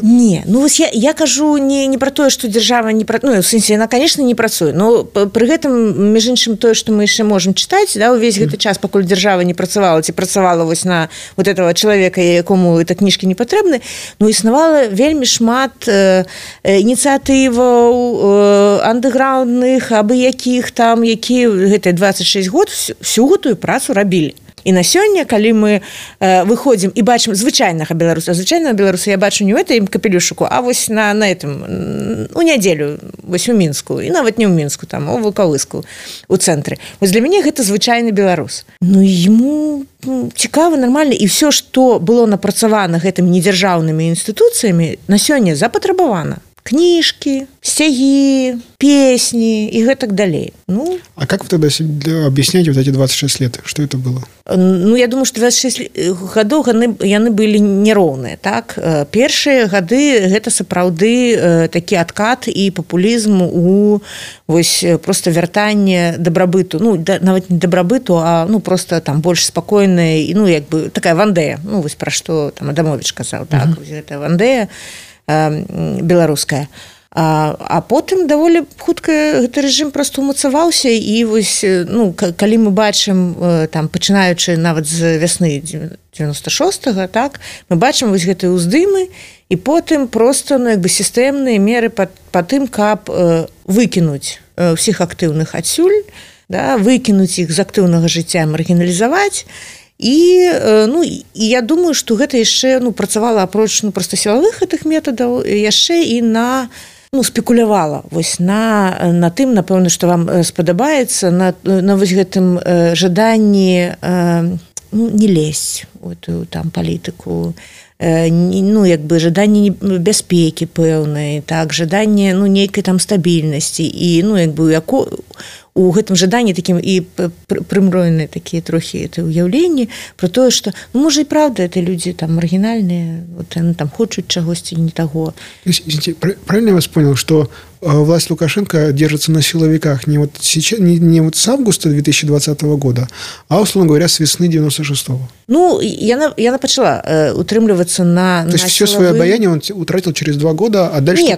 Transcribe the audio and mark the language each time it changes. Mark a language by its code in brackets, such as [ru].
[ru] Не, ну, вот я кажу не про то, что держава не працуе, ну, в смысле, она, конечно, не працуе, но при этом, между иншим, то, что мы еще можем читать, да, весь этот час, покуль держава не працевала, типа, працевала вот на вот этого человека, якому эти книжки не потребны, ну, існувала [be] вельми шмат [ru] инициативов андеграундных, абы яких там, якие, это 26 год, всю гэтую працу робили. [be] І на сёння, калі мы выходзім і бачым звычайнага беларуса, звычайнага беларуса я бачу не ў гэтым капелюшыку, а вось [ru] на этом, [be] у нядзелю, вось у Мінску, і нават не ў Мінску, там, у Вукавыску, у цэнтры. Вось для мяне гэта звычайны беларус. Ну, яму цікава, нармальна, і всё, што было напрацавана гэтымі недзяржаўнымі інстытуцыямі, на сёння запатрабавана. [ru] Книжки, стяги, песни и так далее. Ну, а как вы тогда себе объясняете вот эти 26 лет? Что это было? Ну, я думаю, что 26 годов они были неровные. Так? Первые годы – это саправды такие откат и популизм у вось, просто вертания добробыту. Ну, навать не добробыту, а ну, просто там больше спокойная. Ну, как бы такая вандея. Ну, вось, про что там Адамович сказал. Так, это вандея. Беларуская. [be] А потым даволі хутка гэты рэжым просто умацаваўся і вось, ну, калі мы бачым там пачынаючы нават з вясны 96-го, так, мы бачым вось гэтыя уздымы і потым просто, ну, як бы сістэмныя меры па тым, каб выкінуць усіх актыўных адсюль, да, выкінуць іх з актыўнага жыцця, маргіналізаваць. І, ну, і я думаю, што гэта яшчэ, ну, працавала апроч, ну, проста сілавых гэтых метадаў, яшчэ і на, ну, спекулявала, вось на тым, напэўна, што вам спадабаецца, на вось гэтым жаданні, ну, не лезць [ru] у эту [be] там палітыку, [uk] ну, якби жаданні безпеки певної, так, жаданні, ну, ніякої там стабільності, і, ну, якби, яко, у гэтым жаданні таким і примроєні такі трохи ці уявлення про те, що, ну, може, і правда, ці люди там маргінальні, от вони там хочуть чогось і не того. [ru] Извините, правильно я вас понял, що власть Лукашенко держится на силовиках не вот сейчас, не вот с августа 2020 года, а, условно говоря, с весны 96-го. Ну, я начала утримливаться на силовых... То есть все силовые... свое обаяние он утратил через два года, а дальше...